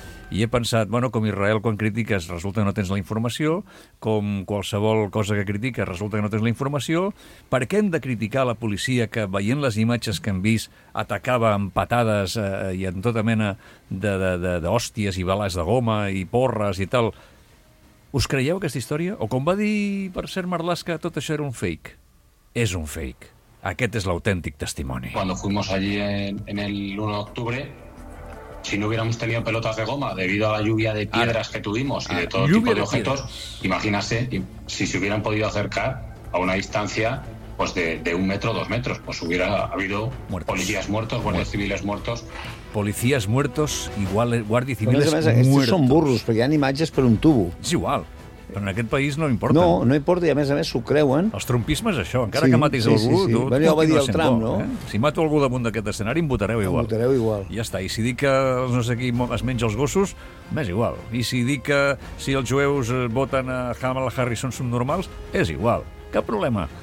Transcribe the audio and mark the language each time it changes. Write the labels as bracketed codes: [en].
[ca] I he pensat, bueno, com Israel quan critiques resulta que no tens la informació, com qualsevol cosa que critiques resulta que no tens la informació, per què hem de criticar la policia que, veient les imatges que hem vist, atacava amb patades i amb tota mena d'hòsties i bales de goma i porres i tal? Us creieu aquesta història? O com va dir, per cert, Marlaska, tot això era un fake? És un fake. Aquest és l'autèntic testimoni. [es] Cuando fuimos allí en el 1 de octubre, si no hubiéramos tenido pelotas de goma debido a la lluvia de piedras que tuvimos y de todo tipo de objetos, imagínase si se hubieran podido acercar a una distancia pues de un metro o dos metros, pues hubiera habido policías muertos, guardias civiles muertos. Policías muertos y guardias civiles muertos. Estos son burros, porque hay imágenes por un tubo. Es igual. [ca] Però en aquest país no importa. No importa, i a més s'ho creuen. Els trumpismes, això, encara sí, que matis algú... Sí. Tu, bueno, ja ho va dir el Trump, por, no? Si mato algú damunt d'aquest escenari, em votareu igual. Ja està, i si dic que no sé qui es menja els gossos, m'és igual. I si dic que si els jueus voten a Kamala Harris són subnormals, és igual. Cap problema.